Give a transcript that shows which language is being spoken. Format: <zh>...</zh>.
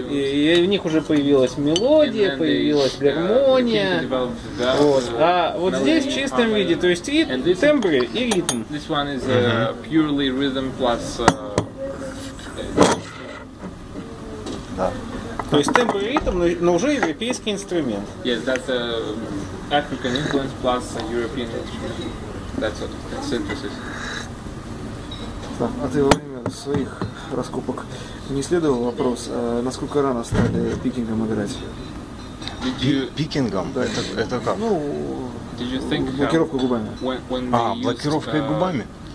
<ru>И у них уже появилась мелодия, появилась гармония. Вот. А вот здесь в чистом виде, то есть и тембры и ритм.</ru> <en>This one is purely rhythm plus.</en> <ru>Да. То есть тембр и ритм, но уже европейский инструмент.</ru> <en>Yes, that's a African influence plus a European instrument. That's all. That's synthesis.</en> <ru>А ты во время своих раскопок не исследовал вопрос, насколько рано стали пикингом играть? Пикингом? Да, это как? Ну. Блокировка губами. А, блокировка губами?</ru>